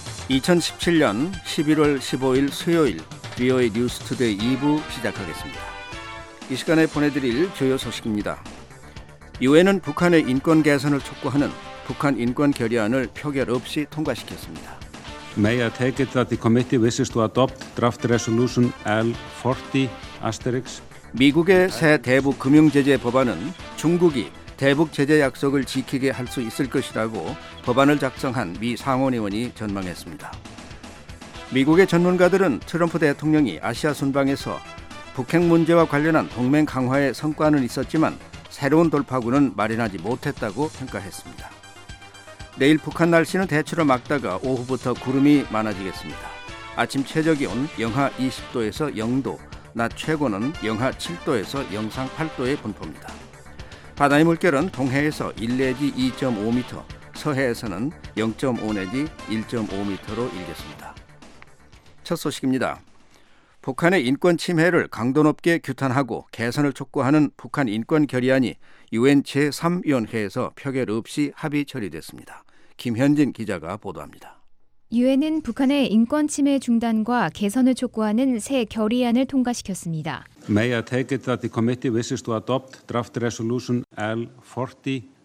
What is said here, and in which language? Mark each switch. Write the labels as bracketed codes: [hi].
[ko] 2017년 11월 15일 수요일 비오에이 뉴스 투데이 2부 시작하겠습니다. 이 시간에 보내드릴 주요 소식입니다. 유엔은 북한의 인권 개선을 촉구하는 북한 인권 결의안을 표결 없이 통과시켰습니다. [en] May I take it that the committee wishes to adopt draft resolution L40*? [ko] 미국의 새 대북 금융 제재 법안은 중국이 대북 제재 약속을 지키게 할 수 있을 것이라고 법안을 작성한 미 상원의원이 전망했습니다. 미국의 전문가들은 트럼프 대통령이 아시아 순방에서 북핵 문제와 관련한 동맹 강화의 성과는 있었지만 새로운 돌파구는 마련하지 못했다고 평가했습니다. 내일 북한 날씨는 대체로 맑다가 오후부터 구름이 많아지겠습니다. 아침 최저기온 영하 20도에서 0도, 낮 최고는 영하 7도에서 영상 8도의 분포입니다. 바다의 물결은 동해에서 1 내지 2.5m, 서해에서는 0.5 내지 1.5m로 일겠습니다. 첫 소식입니다. 북한의 인권 침해를 강도 높게 규탄하고 개선을 촉구하는 북한 인권 결의안이 유엔 제3위원회에서 표결 없이 합의 처리됐습니다. 김현진 기자가 보도합니다. 유엔은 북한의 인권 침해 중단과 개선을 촉구하는 새 결의안을 통과시켰습니다. [en] May I take it that the committee wishes to adopt draft resolution L40*?